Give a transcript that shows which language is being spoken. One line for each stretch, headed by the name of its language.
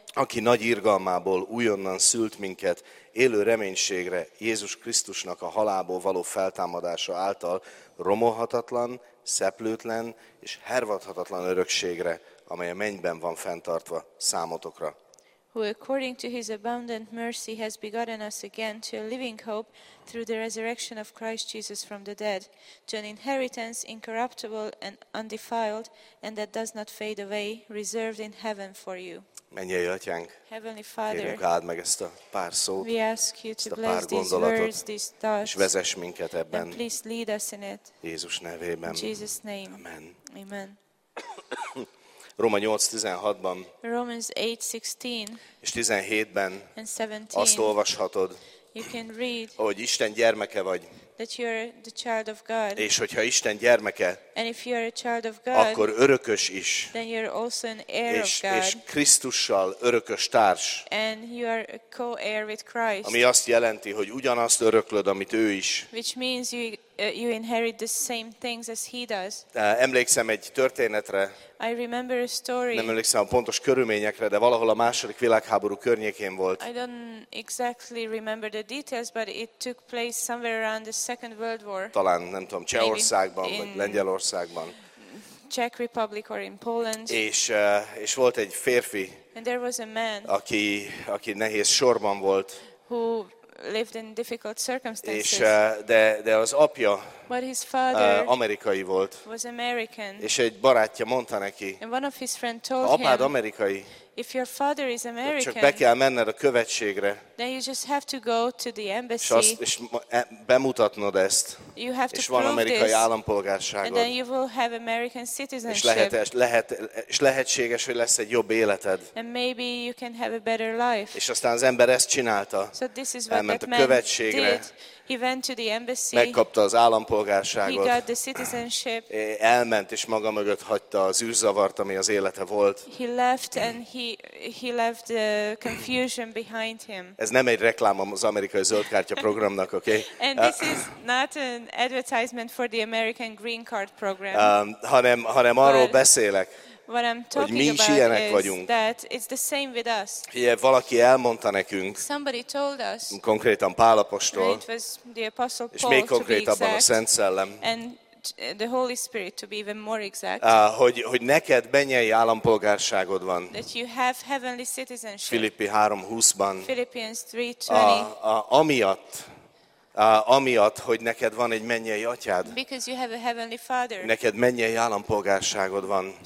Hungarian: aki nagy irgalmából újonnan szült minket élő reménységre Jézus Krisztusnak a halálból való feltámadása által romolhatatlan, szeplőtlen és hervadhatatlan örökségre, amely a mennyben van fenntartva számotokra.
English: Who according to his abundant mercy has begotten us again to a living hope through the resurrection of Christ Jesus from the dead, to an inheritance incorruptible and undefiled, and that does not fade away, reserved in heaven for you.
Hungarian: Mennyei Atyánk,
English: Heavenly Father,
Hungarian: kérünk, áld meg ezt a pár szót,
English: we ask you to bless
Hungarian: pár gondolatot,
English: these words, these thoughts,
Hungarian: és vezess minket ebben.
English: And please lead us in it.
Hungarian: Jézus nevében.
English: In Jesus name.
Hungarian: Amen.
English: Amen.
Hungarian: Róma 8:16-ban
English: Romans 8:16
Hungarian: és 17-ben
English: and 17,
Hungarian: azt olvashatod,
English: you can read,
Hungarian: hogy Isten gyermeke vagy.
English: That you are the child of God.
Hungarian: És hogyha Isten gyermeke,
English: and if you are a child of God,
Hungarian: akkor örökös is.
English: Then you are also an heir
Hungarian: és,
English: of God.
Hungarian: És Krisztussal örökös társ.
English: And you are a co-heir with Christ.
Hungarian: Ami azt jelenti, hogy ugyanazt öröklöd, amit ő is.
English: Which means you inherit the same things as he does.
Hungarian: Emlékszem egy történetre.
English: I remember a story.
Hungarian: Nem emlékszem a pontos körülményekre, de valahol a második világháború környékén volt.
English: I don't exactly remember the details, but it took place somewhere around the Second World War.
Hungarian: Talán nem tudom, Csehországban vagy Lengyelországban.
English: Czech Republic or in Poland.
Hungarian: És volt egy férfi.
English: And there was a man.
Hungarian: Aki nehéz sorban volt.
English: Who lived in difficult circumstances.
Hungarian: És de az apja,
English: but his father,
Hungarian: amerikai volt.
English: Was American.
Hungarian: És egy barátja mondta neki.
English: And one of his friend told
Hungarian: apád
English: him,
Hungarian: amerikai.
English: If your father is American,
Hungarian: csak be kell menned a követségre.
English: Then you just have to go to the embassy.
Hungarian: És bemutatnod ezt.
English: You have to
Hungarian: és van amerikai
English: this,
Hungarian: állampolgárságod.
English: And then you will have American citizenship.
Hungarian: És lehetséges, hogy lesz egy jobb életed.
English: And maybe you can have a better life.
Hungarian: És aztán az ember ezt csinálta.
English: So this is what
Hungarian: elment
English: that
Hungarian: a követségre.
English: He went to the embassy.
Hungarian: Megkapta az állampolgárságot.
English: He got the citizenship.
Hungarian: Elment és maga mögött hagyta az űrzavart, ami az élete volt.
English: He left and he left the confusion behind him.
Hungarian: Ez nem egy reklám az amerikai zöldkártya programnak, oké?
English: Okay? And this is not an advertisement for the American Green Card program.
Hungarian: Hanem arról beszélek.
English: What I'm talking
Hungarian: mi is
English: about
Hungarian: ilyenek
English: is
Hungarian: vagyunk.
English: That it's the same with us.
Hungarian: Igen, valaki elmondta nekünk,
English: somebody told us,
Hungarian: konkrétan Pál apostol,
English: it was the Apostle Paul,
Hungarian: és még konkrétabban
English: to be exact,
Hungarian: a Szent Szellem,
English: and the Holy Spirit, to be even more exact,
Hungarian: hogy neked mennyei állampolgárságod van.
English: That you have heavenly citizenship.
Hungarian: Filippi 3:20-ban.
English: Philippians 3:20.
Hungarian: Amiatt, hogy neked van egy mennyei atyád.
English: Because you have a heavenly father.
Hungarian: Neked mennyei állampolgárságod van.